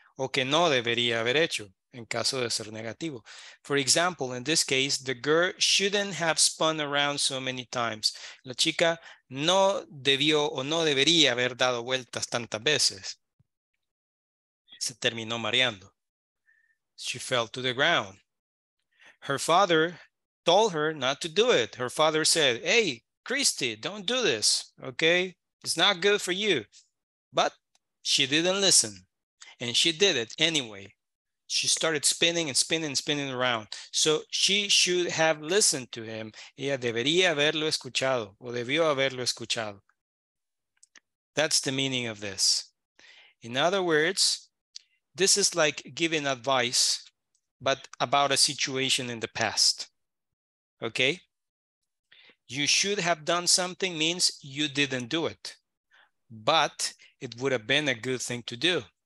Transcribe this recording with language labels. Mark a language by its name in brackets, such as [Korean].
[Spanish] O que no debería haber hecho, en caso de ser negativo. [English] For example, in this case, the girl shouldn't have spun around so many times. [Spanish] La chica no debió o no debería haber dado vueltas tantas veces. Se terminó mareando. [English] She fell to the ground. Her father told her not to do it. Her father said, hey, Christy, don't do this, okay? It's not good for you. But she didn't listen. And she did it anyway. She started spinning and spinning and spinning around. So she should have listened to him. [Spanish] Ella debería haberlo escuchado o debió haberlo escuchado. [English] That's the meaning of this. In other words, this is like giving advice, but about a situation in the past, okay? You should have done something means you didn't do it, but it would have been a good thing to do.